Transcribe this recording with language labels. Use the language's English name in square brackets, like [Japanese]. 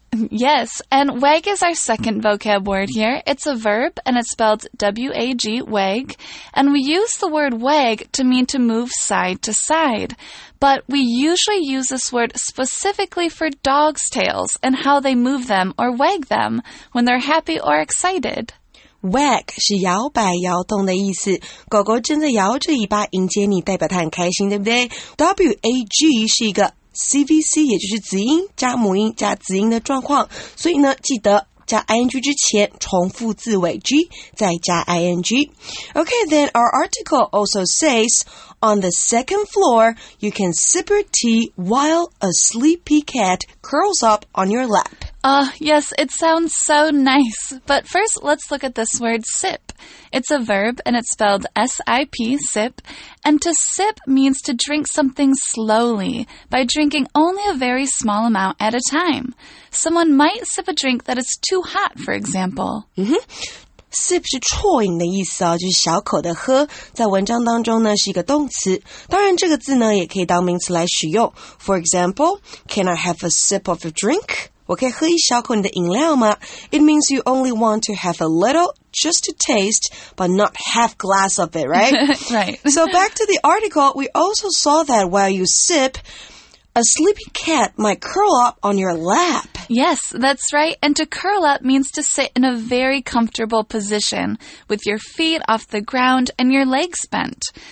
[English] Yes, and wag is our second vocab word here. It's a verb and it's spelled W-A-G, wag. And we use the word wag to mean to move side to side. But we usually use this word specifically for dogs' tails and how they move them or wag them when they're happy or excited. [Chinese] Wag 是摇摆摇动的意思。狗狗正在摇着尾巴迎接你，代表它很开心，对不对？ W-A-G 是一个CVC 也就是子音加母音加子音的状况，所以呢，记得加 ing 之前重复字尾 g 再加 ing。 [English] Okay, then our article also says, on the second floor, you can sip your tea while a sleepy cat curls up on your lap. Yes, it sounds so nice. But first, let's look at this word sip. It's a verb and it's spelled S-I-P, sip. And to sip means to drink something slowly by drinking only a very small amount at a time. Someone might sip a drink that is too hot, for example. Mm-hmm. [Chinese] sip 是啜饮的意思哦，就是小口的喝，在文章当中呢是一个动词，当然这个字呢也可以当名词来使用。 [English] For example, can I have a sip of a drink? [Chinese] 我可以喝一小口你的饮料吗？ [English] It means you only want to have a little, just to taste, but not half glass of it, right? Right. So back to the article, we also saw that while you sip,A sleepy cat might curl up on your lap. Yes, that's right. And to curl up means to sit in a very comfortable position with your feet off the ground and your legs bent.